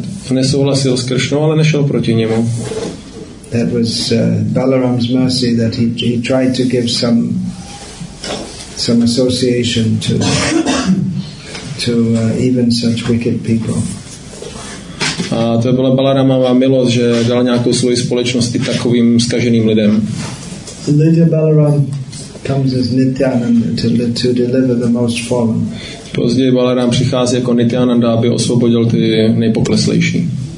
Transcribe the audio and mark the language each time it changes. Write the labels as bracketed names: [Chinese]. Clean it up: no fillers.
[Czech] Nesouhlasil s Krishnou, ale nešel proti němu. [English] That was Balaram's mercy that he tried to give some association to even such wicked people. [Czech] A to byla Balaramova milost, že dal nějakou svoji společnost i takovým zkaženým lidem. [English] Later Balaram comes as Nityananda to deliver the most fallen. [Czech] Později Balaram přichází jako Nityananda, aby osvobodil ty nejpokleslejší.